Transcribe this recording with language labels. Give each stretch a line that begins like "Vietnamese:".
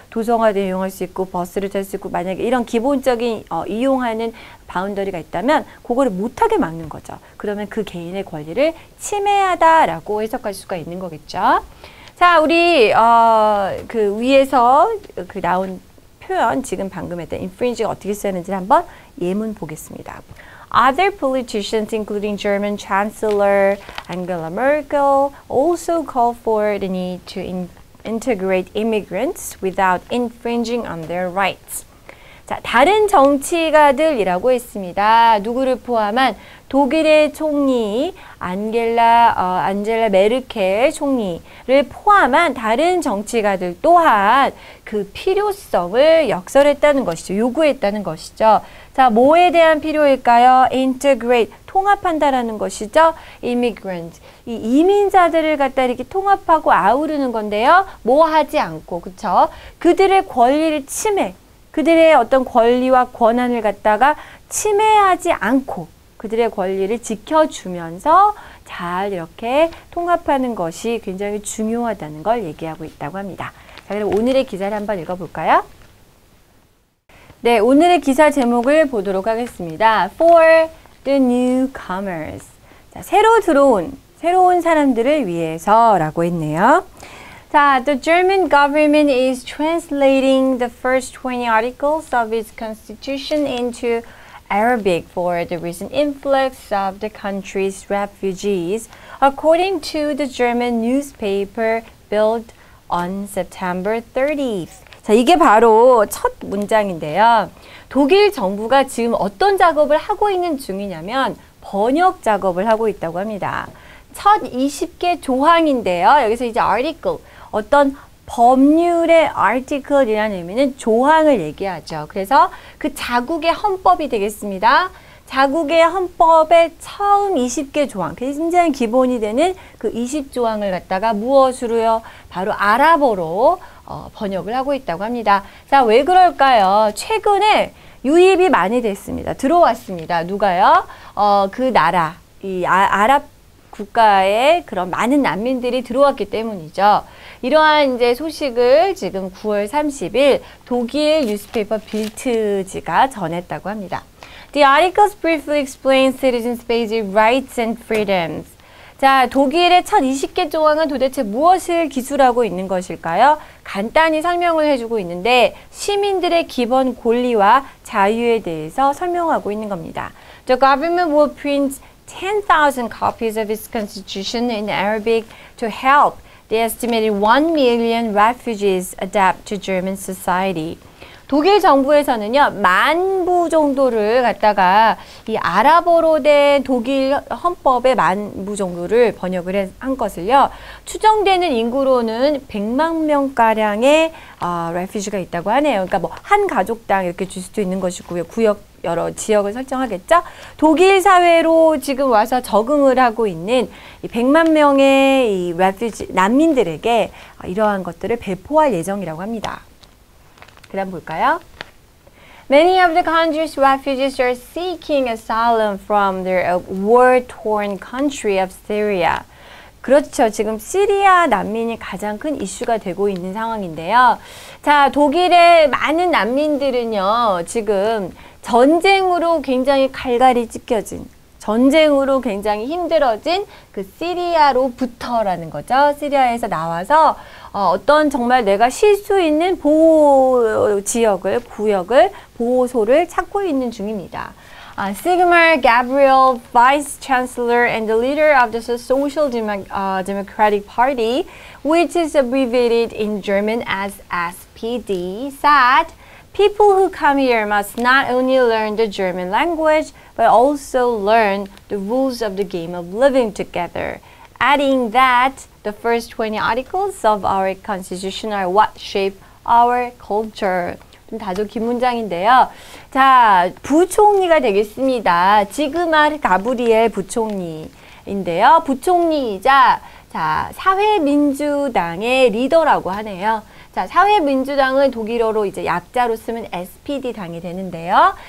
Korean: 도서관을 이용할 수 있고 버스를 탈수 있고 만약에 이런 기본적인 이용하는 바운더리가 있다면 그거를 못하게 막는 거죠. 그러면 그 개인의 권리를 침해하다라고 해석할 수가 있는 거겠죠. 자, 우리 그 위에서 그 나온 표현 지금 방금 했던 infringe가 어떻게 쓰였는지 한번 예문 보겠습니다.
English: Other politicians, including German Chancellor Angela Merkel, also call for the need to integrate immigrants without infringing on their rights.
Korean: 자, 다른 정치가들이라고 했습니다. 누구를 포함한 독일의 총리, 안젤라 메르켈 총리를 포함한 다른 정치가들 또한 그 필요성을 역설했다는 것이죠. 요구했다는 것이죠. 자, 뭐에 대한 필요일까요? Integrate, 통합한다라는 것이죠. Immigrant, 이 이민자들을 갖다 이렇게 통합하고 아우르는 건데요. 뭐 하지 않고, 그쵸? 그들의 권리를 침해. 그들의 어떤 권리와 권한을 갖다가 침해하지 않고 그들의 권리를 지켜주면서 잘 이렇게 통합하는 것이 굉장히 중요하다는 걸 얘기하고 있다고 합니다. 자, 그럼 오늘의 기사를 한번 읽어볼까요? 네, 오늘의 기사 제목을 보도록 하겠습니다.
English: For the newcomers.
Korean: 자, 새로운 사람들을 위해서라고 했네요.
English: The German government is translating the first 20 articles of its constitution into Arabic for the recent influx of the country's refugees, according to the German newspaper Bild on September 30th.
Korean: 자, 이게 바로 첫 문장인데요. 독일 정부가 지금 어떤 작업을 하고 있는 중이냐면 번역 작업을 하고 있다고 합니다. 첫 20개 조항인데요. 여기서 이제 article. 어떤 법률의 article이라는 의미는 조항을 얘기하죠. 그래서 그 자국의 헌법이 되겠습니다. 자국의 헌법의 처음 20개 조항, 굉장히 기본이 되는 그 20조항을 갖다가 무엇으로요? 바로 아랍어로 번역을 하고 있다고 합니다. 자, 왜 그럴까요? 최근에 유입이 많이 됐습니다. 들어왔습니다. 누가요? 그 나라, 아랍 국가에 그런 많은 난민들이 들어왔기 때문이죠. 이러한 이제 소식을 지금 9월 30일 독일 뉴스페이퍼 빌트지가 전했다고 합니다.
English: The articles briefly explain citizens' basic rights and freedoms.
Korean: 자, 독일의 첫 20개 조항은 도대체 무엇을 기술하고 있는 것일까요? 간단히 설명을 해주고 있는데, 시민들의 기본 권리와 자유에 대해서 설명하고 있는 겁니다.
English: The government will print 10,000 copies of its constitution in Arabic to help the estimated 1 million refugees adapt to German society.
Korean: 독일 정부에서는요, 만부 정도를 갖다가 이 아랍어로 된 독일 헌법의 만부 정도를 번역을 한 것을요, 추정되는 인구로는 100만 명가량의 refuge가 있다고 하네요. 그러니까 뭐, 한 가족당 이렇게 줄 수도 있는 것이고요. 구역, 여러 지역을 설정하겠죠? 독일 사회로 지금 와서 적응을 하고 있는 이 100만 명의 이 refuge, 난민들에게 이러한 것들을 배포할 예정이라고 합니다. 그다음 볼까요?
English: Many of the country's refugees are seeking asylum from their war-torn country of Syria.
Korean: 그렇죠. 지금 시리아 난민이 가장 큰 이슈가 되고 있는 상황인데요. 자, 독일의 많은 난민들은요, 지금 전쟁으로 굉장히 갈갈이 찢겨진, 전쟁으로 굉장히 힘들어진 그 시리아로부터라는 거죠. 시리아에서 나와서 어떤 정말 내가 쉴수 있는 보호 지역을, 구역을, 보호소를 찾고 있는 중입니다.
English: Sigmar Gabriel, Vice Chancellor and the leader of the Social Democratic Party, which is abbreviated in German as SPD, said, "People who come here must not only learn the German language, but also learn the rules of the game of living together." Adding that the first 20 articles of our constitution are what shape our culture.
Korean: 좀 다소 긴 문장인데요. 자, 부총리가 되겠습니다. 지그마르 가브리엘 부총리인데요. 부총리이자 자, 사회민주당의 리더라고 하네요. 자, 사회민주당은 독일어로 이제 약자로 쓰면 SPD 당이 되는데요.